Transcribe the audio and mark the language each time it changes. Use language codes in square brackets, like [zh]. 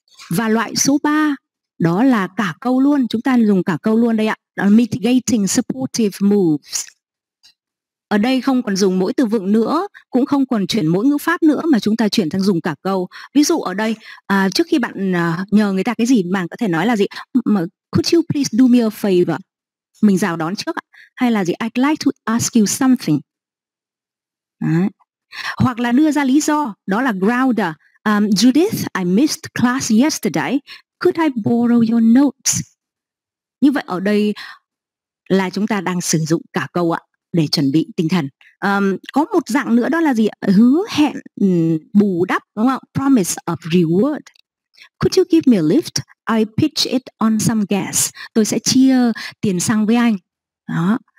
[vi] Và loại số 3 đó là cả câu luôn, chúng ta dùng cả câu luôn đây ạ, đó, mitigating supportive moves. Ở đây không còn dùng mỗi từ vựng nữa, cũng không còn chuyển mỗi ngữ pháp nữa mà chúng ta chuyển sang dùng cả câu. Ví dụ ở đây, trước khi bạn nhờ người ta cái gì, bạn có thể nói là gì? Could you please do me a favor? Mình chào đón trước ạ. Hay là gì? [en] I'd like to ask you something. Đấy. [vi] Hoặc là đưa ra lý do. Đó là grounder. Judith, I missed class yesterday. [en] Could I borrow your notes? [vi] Như vậy ở đây là chúng ta đang sử dụng cả câu ạ, để chuẩn bị tinh thần. Có một dạng nữa đó là gì? Hứa hẹn bù đắp, đúng không? [en] Promise of reward. Could you give me a lift? [vi] I pitch it on some gas. Tôi sẽ chia tiền xăng với anh. Đó.